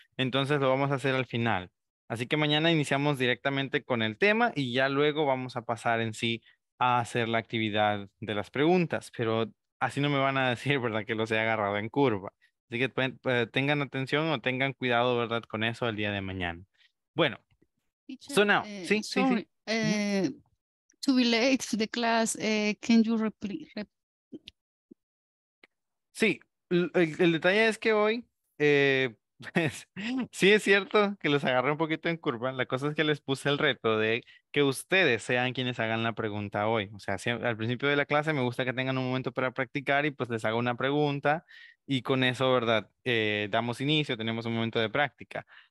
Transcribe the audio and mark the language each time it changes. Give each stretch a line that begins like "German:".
Spanish: Entonces, lo vamos a hacer al final. Así que mañana iniciamos directamente con el tema y ya luego vamos a pasar en sí a hacer la actividad de las preguntas, pero así no me van a decir, ¿verdad?, que los he agarrado en curva. Así que tengan atención o tengan cuidado, ¿verdad?, con eso el día de mañana. Bueno.
English: Teacher, so now, sí, sorry, sí, sí. To be late to the class, can you repeat?
Spanish: Sí, el detalle es que hoy, sí es cierto que los agarré un poquito en curva. La cosa es que les puse el reto de que ustedes sean quienes hagan la pregunta hoy. O sea, si al principio de la clase me gusta que tengan un momento para practicar y pues les hago una pregunta y con eso, ¿verdad?, damos inicio, tenemos un momento de práctica.